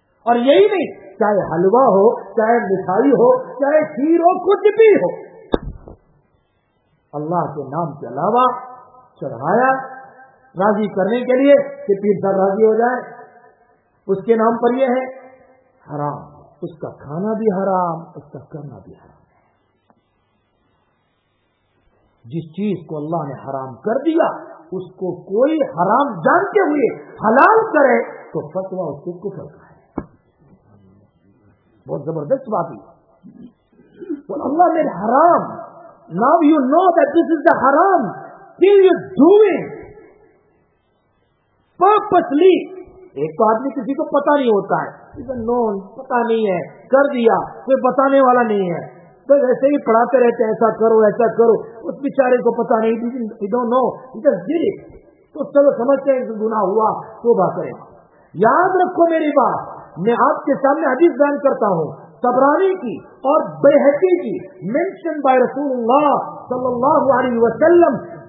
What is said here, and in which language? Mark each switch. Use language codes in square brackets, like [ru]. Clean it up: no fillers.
[ur] اور یہی نہیں چاہے حلوہ ہو چاہے مٹھائی ہو چاہے کھیر ہو کچھ بھی ہو, اللہ کے نام کے علاوہ چڑھایا راضی کرنے کے لیے کہ پیر صاحب راضی ہو جائے اس کے نام پر, یہ ہے حرام, اس کا کھانا بھی حرام اس کا کرنا بھی حرام. جس چیز کو اللہ نے حرام کر دیا اس کو کوئی حرام جانتے ہوئے حلال کرے تو فتویٰ اس کو کفر کا ہے. بہت زبردست بات ہے. [en] When Allah made haram, now you know that this is the haram. Till you do it purposely. [ur] ایک تو آدمی کسی کو پتا نہیں ہوتا ہے, پتا نہیں ہے, کر دیا, کوئی بتانے والا نہیں ہے, بس ایسے ہی پڑھاتے رہتے ایسا کرو ایسا کرو, اس بیچارے کو پتا نہیں, [en] he don't know, he just did it. [ur] تو چلو سمجھتے ہیں گناہ ہوا تو بات کریں. یاد رکھو میری بات, میں آپ کے سامنے حدیث بیان کرتا ہوں طبرانی کی اور بیہقی کی, [en] mention by [ur] رسول اللہ صلی اللہ علیہ وسلم.